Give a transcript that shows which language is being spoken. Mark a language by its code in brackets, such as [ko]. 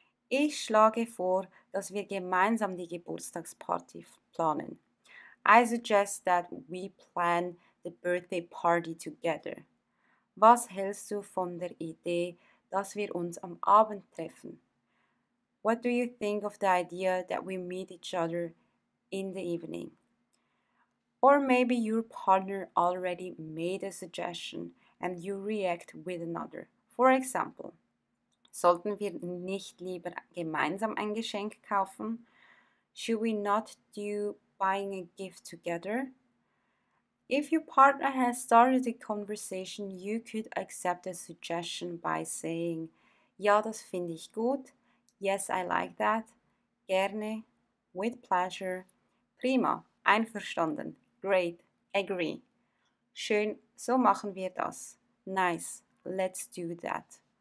[de] Ich schlage vor, dass wir gemeinsam die Geburtstagsparty planen. [en] I suggest that we plan the birthday party together. [de] Was hältst du von der Idee, dass wir uns am Abend treffen? [en] What do you think of the idea that we meet each other in the evening? Or maybe your partner already made a suggestion and you react with another. For example, [de] sollten wir nicht lieber gemeinsam ein Geschenk kaufen? [en] Should we not do buying a gift together? If your partner has started the conversation, you could accept a suggestion by saying, [de] ja, das finde ich gut, [en] yes, I like that, [de] gerne, [en] with pleasure, [de] prima, einverstanden, [en] great, agree, [de] schön, so machen wir das, [en] nice, let's do that.